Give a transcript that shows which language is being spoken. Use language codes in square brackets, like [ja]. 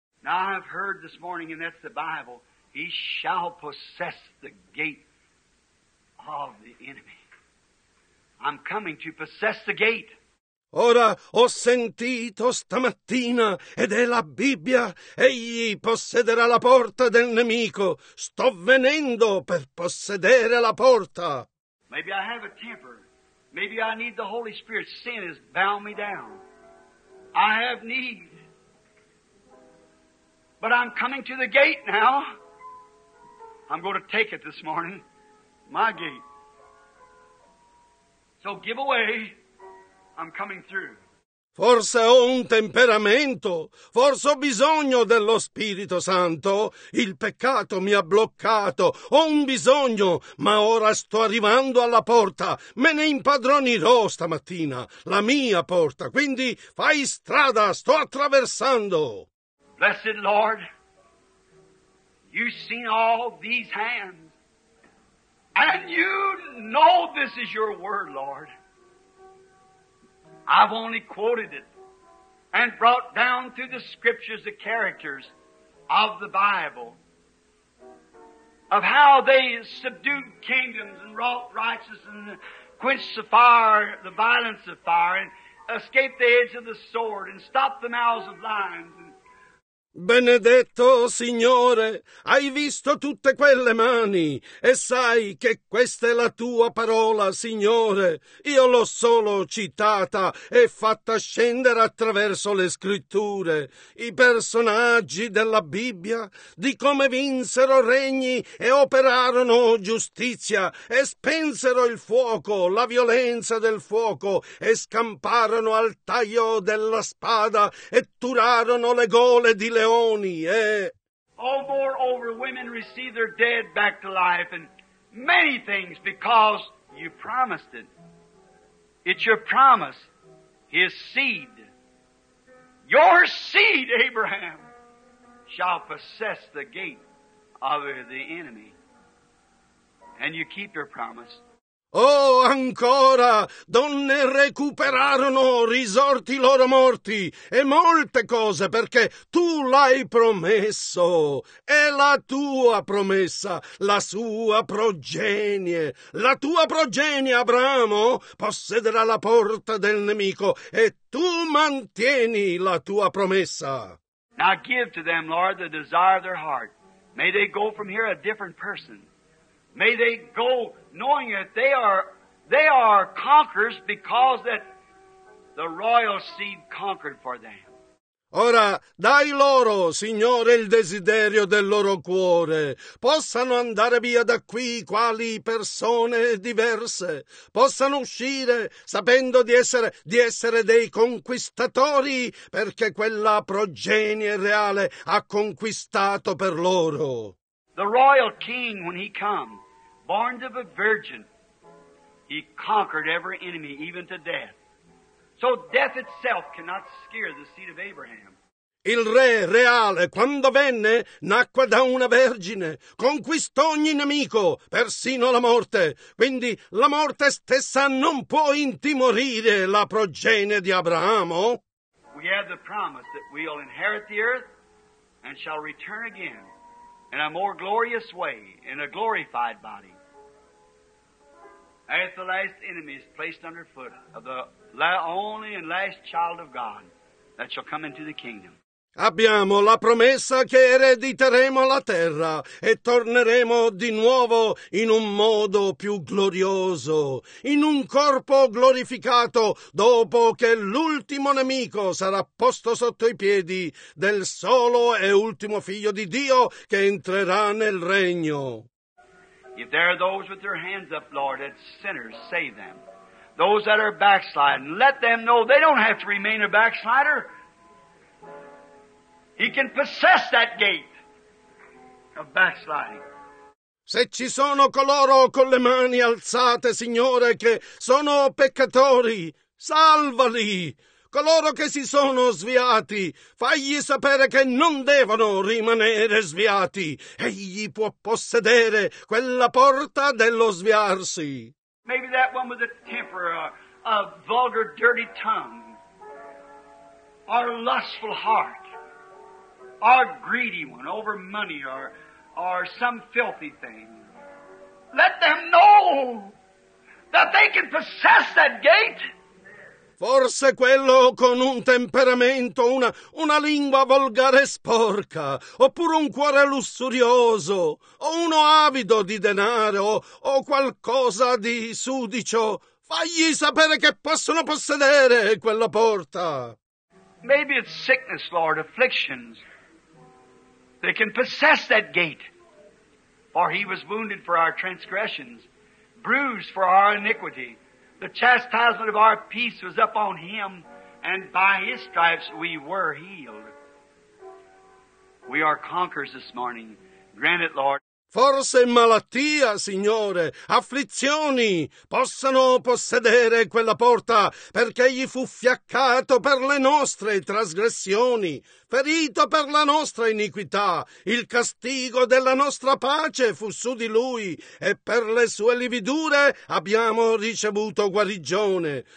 [en] Now I've heard this morning, and that's the Bible, he shall possess the gate of the enemy. I'm coming to possess the gate. [it] Ora ho sentito stamattina, ed è la Bibbia, egli possederà la porta del nemico. Sto venendo per possedere la porta. [en] Maybe I have a temper. Maybe I need the Holy Spirit. Sin has bound me down. I have need. But I'm coming to the gate now. I'm going to take it this morning. My gate. So give away. I'm coming through. [it] Forse ho un temperamento, forse ho bisogno dello Spirito Santo. Il peccato mi ha bloccato, ho un bisogno, ma ora sto arrivando alla porta. Me ne impadronirò stamattina, la mia porta. Quindi fai strada, sto attraversando. [en] Blessed Lord, you've seen all these hands, and you know this is your word, Lord. I've only quoted it and brought down through the scriptures the characters of the Bible of how they subdued kingdoms and wrought righteousness and quenched the fire, the violence of fire, and escaped the edge of the sword and stopped the mouths of lions. [it] Benedetto Signore, hai visto tutte quelle mani e sai che questa è la tua parola, Signore. Io l'ho solo citata e fatta scendere attraverso le scritture. I personaggi della Bibbia, di come vinsero regni e operarono giustizia e spensero il fuoco, la violenza del fuoco e scamparono al taglio della spada e turarono le gole di leoni. [en] Oh, moreover, women receive their dead back to life and many things because you promised it. It's your promise, his seed. Your seed, Abraham, shall possess the gate of the enemy. And you keep your promise. [it] Oh, ancora, donne recuperarono, risorti i loro morti, e molte cose, perché tu l'hai promesso, è la tua promessa, la sua progenie. La tua progenie, Abramo, possederà la porta del nemico, e tu mantieni la tua promessa. [en] Now give to them, Lord, the desire of their heart. May they go from here a different person. May they go knowing that they are conquerors because that the royal seed conquered for them. [it] Ora, dai loro, Signore, il desiderio del loro cuore. Possano andare via da qui quali persone diverse. Possano uscire sapendo di essere dei conquistatori, perché quella progenie reale ha conquistato per loro. [en] The royal king, when he come, born of a virgin, he conquered every enemy, even to death. So death itself cannot scare the seed of Abraham. [it] Il re reale, quando venne, nacque da una vergine, conquistò ogni nemico, persino la morte. Quindi la morte stessa non può intimorire la progenie di Abramo. [en] We have the promise that we'll inherit the earth and shall return again in a more glorious way, in a glorified body. As the last enemy is placed underfoot of the only and last child of God that shall come into the kingdom. [it] Abbiamo la promessa che erediteremo la terra e torneremo di nuovo in un modo più glorioso, in un corpo glorificato dopo che l'ultimo nemico sarà posto sotto i piedi del solo e ultimo figlio di Dio che entrerà nel regno. [en] If there are those with their hands up, Lord, as sinners, save them. Those that are backsliding, let them know they don't have to remain a backslider. He can possess that gate of backsliding. [it] Se ci sono coloro con le mani alzate, Signore, che sono peccatori, salvali. Coloro che si sono sviati, fagli sapere che non devono rimanere sviati. Egli può possedere quella porta dello sviarsi. [en] Maybe that one with a temper, a vulgar, dirty tongue, or a lustful heart, or a greedy one over money, or some filthy thing. Let them know that they can possess that gate. [it] Forse quello con un temperamento, una lingua volgare e sporca, oppure un cuore lussurioso, o uno avido di denaro, o qualcosa di sudicio. Fagli sapere che possono possedere quella porta. [en] Maybe it's sickness, Lord, afflictions. They can possess that gate. For he was wounded for our transgressions, bruised for our iniquity. The chastisement of our peace was upon him, and by his stripes we were healed. We are conquerors this morning. Grant it, Lord. [it] Forse malattia, Signore, afflizioni, possano possedere quella porta, perché egli fu fiaccato per le nostre trasgressioni, ferito per la nostra iniquità. Il castigo della nostra pace fu su di lui, e per le sue lividure abbiamo ricevuto guarigione.